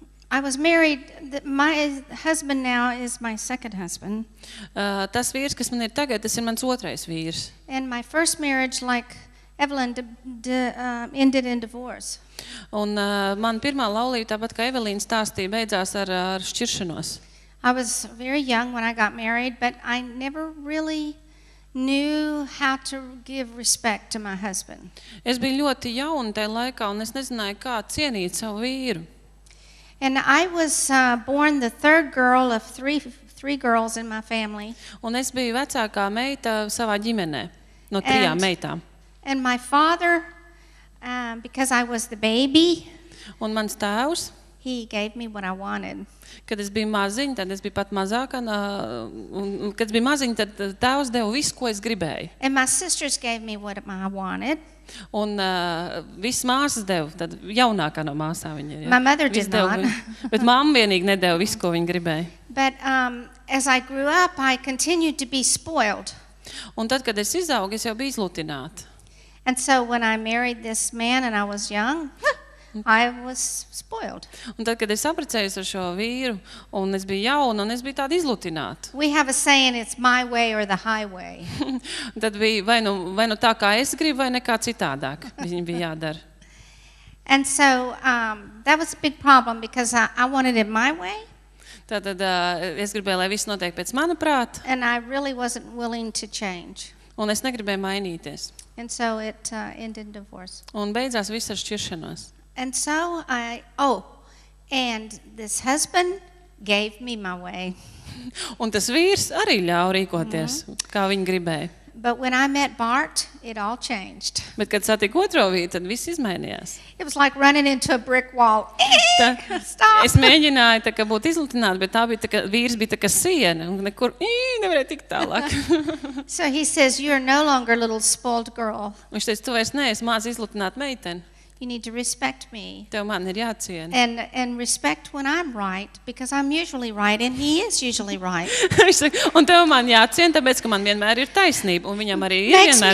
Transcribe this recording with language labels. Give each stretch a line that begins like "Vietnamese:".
English: I was married, my husband now is my second husband.
Latvian: Tas vīrs, kas man ir tagad, tas ir mans otrais vīrs.
English: And my first marriage, like Evelyn, ended in divorce.
Latvian: Un man pirmā laulība, tāpat kā Evelīna stāstīja, beidzās ar šķiršanos.
English: I was very young when I got married, but I never really knew how to give respect to my husband.
Latvian: Es biju ļoti jauna tajā laikā, un es nezināju, kā cienīt savu vīru.
English: And I was born the third girl of three girls in my family.
Latvian: Un es biju vecākā meita savā ģimenē, no trijām meitām.
English: And my father, because I was the baby,
Latvian: un mans tēvs,
English: he gave me what I wanted.
Latvian: Kad es biju maziņa, tad es biju pat mazāka, un kad es biju maziņa, tad tēvs deva visu, ko es gribēju.
English: And my sisters gave me what I wanted.
Latvian: Un visas māsas deva, tad jaunākā no māsām viņa ir.
English: My mother did not.
Latvian: Bet mamma vienīgi nedeva visu, ko viņa gribēja.
English: But as I grew up, I continued to be spoiled.
Latvian: Un tad, kad es izaugu, es jau biju izlutināta.
English: And so when I married this man and I was young, I was spoiled.
Latvian: Un tad, kad es apprecējos ar šo vīru, un es biju jauna, un es biju tāda izlutināta.
English: We have a saying, it's my way or the highway.
Latvian: Tad bija vai nu tā, kā es gribu, vai nekā citādāk, viņi bija jādara.
English: And so, that was a big problem, because I wanted it my way.
Latvian: Tad es gribēju, lai viss notiek pēc mana prāta.
English: And I really wasn't willing to change.
Latvian: Un es negribēju mainīties.
English: And so it ended in divorce.
Latvian: Un beidzās viss ar šķiršanos.
English: And so and this husband gave me my way.
Latvian: Un tas vīrs arī ļāva rīkoties, kā viņi gribēja.
English: But when I met Bart, it all changed.
Latvian: Bet kad satiku otro vīru, tad viss izmainījās.
English: It was like running into a brick wall.
Latvian: Stop. Es mēģināju tā kā būt izlutināta, bet tā bija tā kā vīrs bija tā kā siena, un nekur nevarēja tikt tālāk.
English: So he says, you're no longer little spoiled girl.
Latvian: Viņš teica, tu vairs neesi maz izlutināta meitene.
English: You need to respect me.
Latvian: Tev man ir jāciena.
English: And respect when I'm right, because I'm usually right and he is usually right.
Latvian: Un tev man jāciena, tāpēc ka man vienmēr ir taisnība un viņam arī ir vienmēr taisnība.